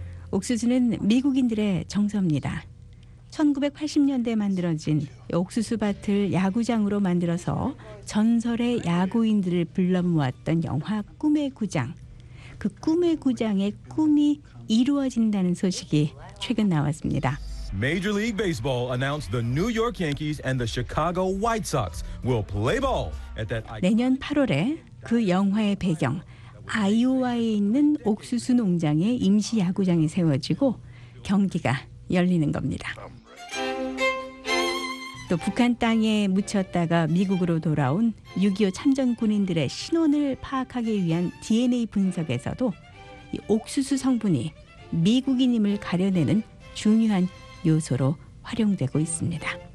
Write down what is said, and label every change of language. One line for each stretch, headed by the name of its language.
Korean: 옥수수는 미국인들의 정서입니다. 1980년대에 만들어진 옥수수밭을 야구장으로 만들어서 전설의 야구인들을 불러모았던 영화 꿈의 구장. 그 꿈의 구장의 꿈이 이루어진다는 소식이 최근 나왔습니다.
English: Major League Baseball announced the New York Yankees and the Chicago White Sox will play ball at that.
Korean: 내년 8월에 그 영화의 배경 아이오와에 있는 옥수수 농장에 임시 야구장이 세워지고 경기가 열리는 겁니다. 또 북한 땅에 묻혔다가 미국으로 돌아온 6.25 참전 군인들의 신원을 파악하기 위한 DNA 분석에서도 이 옥수수 성분이 미국인임을 가려내는 중요한 요소로 활용되고 있습니다.